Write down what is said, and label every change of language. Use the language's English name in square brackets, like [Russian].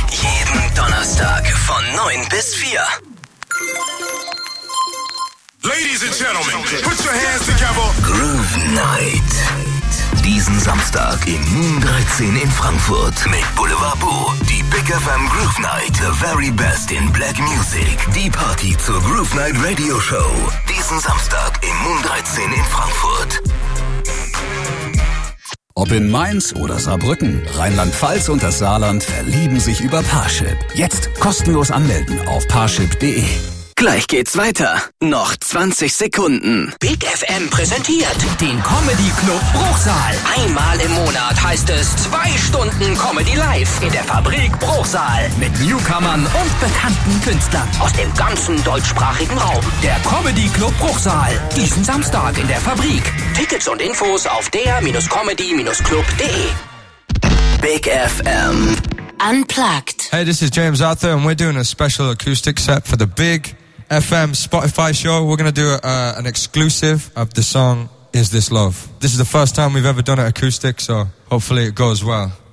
[German] Jeden Donnerstag von 9 bis 4. [English] Ladies and Gentlemen, put your hands together. Groove Night. [German] Diesen Samstag in Moon 13 in Frankfurt mit Boulevard Boo. Die Big FM Groove Night. [English] The very best in Black Music. [German] Die Party zur Groove Night Radio Show. Diesen Samstag in Moon 13 in Frankfurt. Ob in Mainz oder Saarbrücken, Rheinland-Pfalz und das Saarland verlieben sich über Parship. Jetzt kostenlos anmelden auf parship.de. Gleich geht's weiter. Noch 20 Sekunden. Big FM präsentiert den Comedy Club Bruchsal. Einmal im Monat heißt es 2 Stunden Comedy Live in der Fabrik Bruchsal. Mit Newcomern und bekannten Künstlern aus dem ganzen deutschsprachigen Raum. Der Comedy Club Bruchsal. Diesen Samstag in der Fabrik. Tickets und Infos auf der-comedy-club.de. Big FM. Unplugged. [English] Hey, this is James Arthur, and we're doing a special acoustic set for the Big FM Spotify show. We're going to do an exclusive of the song Is This Love. This is the first time we've ever done it acoustic, so hopefully it goes well.